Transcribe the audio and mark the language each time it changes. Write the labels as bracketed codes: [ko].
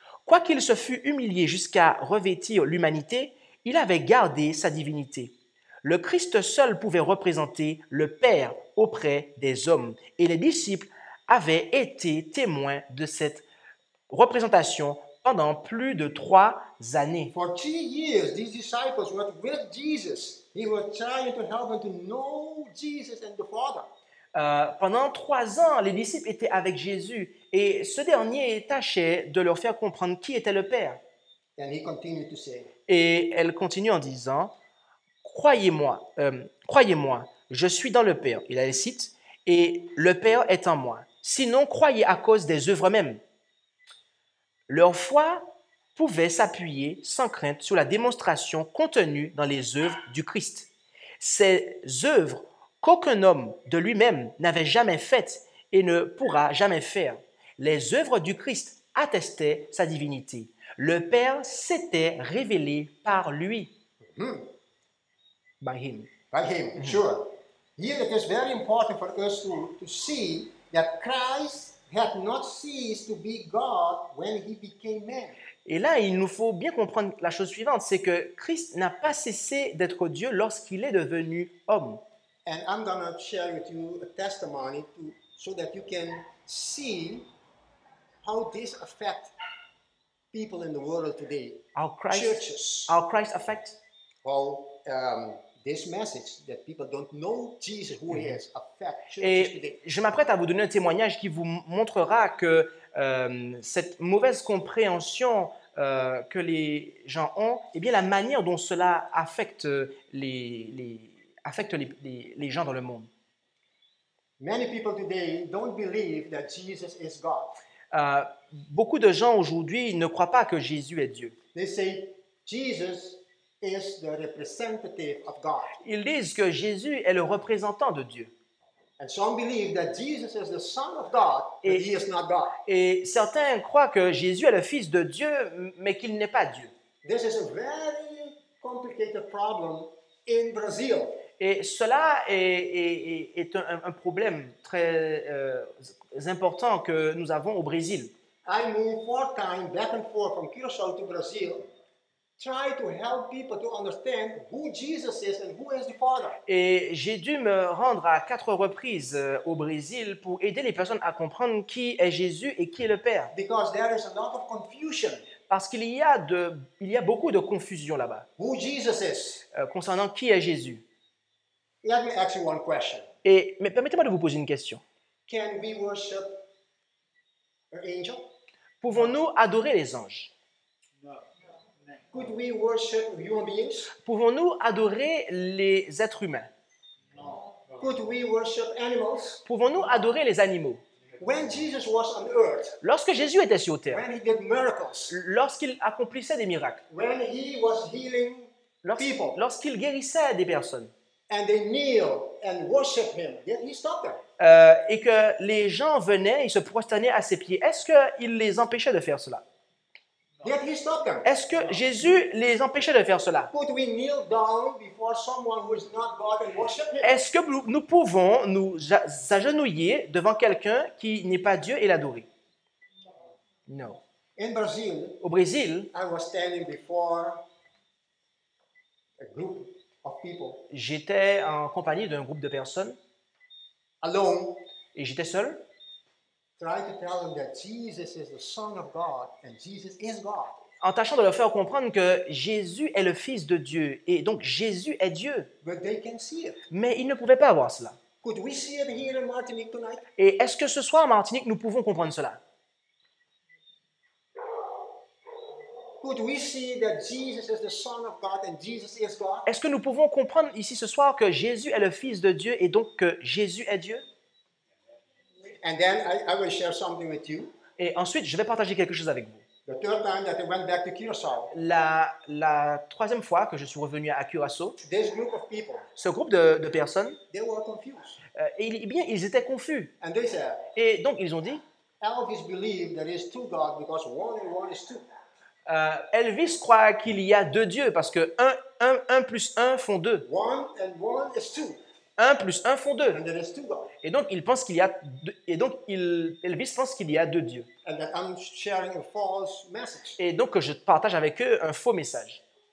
[fr] Quoiqu'il se fût humilié jusqu'à revêtir l'humanité, il avait gardé sa divinité. Le Christ seul pouvait représenter le Père auprès des hommes, et les disciples avaient été témoins de cette représentation pendant plus de 3 années. [en] For 3 years, these disciples were with Jesus. He was trying to help them to know Jesus and the Father. [fr] Pendant 3 ans, les disciples étaient avec Jésus, et ce dernier tâchait de leur faire comprendre qui était le Père. [en] And he continued to say. [fr] Et elle continue en disant, croyez-moi, je suis dans le Père, il les cite, et le Père est en moi. Sinon, croyez à cause des œuvres mêmes. Leur foi pouvait s'appuyer sans crainte sur la démonstration contenue dans les œuvres du Christ. Ces œuvres qu'aucun homme de lui-même n'avait jamais faites et ne pourra jamais faire. Les œuvres du Christ attestaient sa divinité. Le Père s'était révélé par lui. Mm-hmm. [en] By him. By him, mm-hmm. Sure. Here it is very important for us to see that Christ had not ceased to be God when he became man. [fr] Et là, il nous faut bien comprendre la chose suivante, c'est que Christ n'a pas cessé d'être Dieu lorsqu'il est devenu homme. [en] And I'm going to share with you a testimony so that you can see how this affect people in the world today. How Christ, churches. How Christ affect? Well, this message that people don't know Jesus who mm-hmm. he is affect churches [fr] et [en] today. [fr] Je m'apprête à vous donner un témoignage qui vous montrera que cette mauvaise compréhension que les gens ont, eh bien, la manière dont cela affecte les gens dans le monde. [en] Many people today don't believe that Jesus is God. [fr] Beaucoup de gens aujourd'hui ne croient pas que Jésus est Dieu. [en] They say Jesus is the representative of God. [fr] Ils disent que Jésus est le représentant de Dieu. [en] And some believe that Jesus is the Son of God, but he is not God. [fr] Et certains croient que Jésus est le Fils de Dieu, mais qu'il n'est pas Dieu. [en] This is a very complicated problem in Brazil. [fr] Et cela est un problème très important que nous avons au Brésil. [en] I moved 4 times back and forth from Curaçao to Brazil. Try to help people to understand who Jesus is and who is the Father. [fr] Et j'ai dû me rendre à 4 reprises au Brésil pour aider les personnes à comprendre qui est Jésus et qui est le Père. [en] Because there is a lot of confusion. [fr] Parce qu'il y a beaucoup de confusion là-bas. [en] Who Jesus is. [fr] Concernant qui est Jésus. [en] Let me ask you one question. [fr] Mais permettez-moi de vous poser une question. [en] Can we worship an angel? [fr] Pouvons-nous adorer les anges? [en] Could we worship human beings? [fr] Pouvons-nous adorer les êtres humains? [en] No. Could we worship animals? [fr] Pouvons-nous adorer les animaux? [en] When Jesus was on earth, [fr] lorsque Jésus était sur terre, [en] when he did miracles, [fr] lorsqu'il accomplissait des miracles, [en] when he was healing people, [fr] lorsqu'il guérissait des personnes, [en] and they kneel and worship him, did he stop them? [fr] Et que les gens venaient et se prosternaient à ses pieds, est-ce qu'il les empêchait de faire cela? [en] Yet he stopped them. [fr] Est-ce que Jésus les empêchait de faire cela? [en] Could we kneel down before someone who is not God and worship him? [fr] Est-ce que nous pouvons nous agenouiller devant quelqu'un qui n'est pas Dieu et l'adorer? [en] No. In Brazil, [fr] au Brésil, [en] I was standing before a group of people. [fr] J'étais en compagnie d'un groupe de personnes. [en] Alone. [fr] Et j'étais seul. [en] Try to tell them that Jesus is the Son of God and Jesus is God. [fr] En tâchant de leur faire comprendre que Jésus est le Fils de Dieu et donc Jésus est Dieu. [en] But they can see it. [fr] Mais ils ne pouvaient pas voir cela. [en] Could we see it here in Martinique tonight? [fr] Et est-ce que ce soir en Martinique nous pouvons comprendre cela? [en] Could we see that Jesus is the Son of God and Jesus is God? [fr] Est-ce que nous pouvons comprendre ici ce soir que Jésus est le Fils de Dieu et donc que Jésus est Dieu? [en] And then I will share something with you. [fr] Et ensuite, je vais partager quelque chose avec vous. [en] The third time that I went back to Curaçao. [fr] La troisième fois que je suis revenu à Curaçao. [en] This group of people. [fr] Ce groupe de personnes. [en] They were confused. [fr] Ils étaient confus. [en] And they said. [fr] Et donc ils ont dit. [en] Elvis believed there is two gods because one and one is two. [fr] Elvis croit qu'il y a deux dieux parce que un plus un font deux. [en] One and one is two. [fr] Un plus un font deux. [en] And there is two gods. [fr] Et donc il pense qu'il y a deux, et donc Elvis pense qu'il y a deux dieux. [en] And that I'm sharing a false message. [fr] Et donc je partage avec eux un faux message.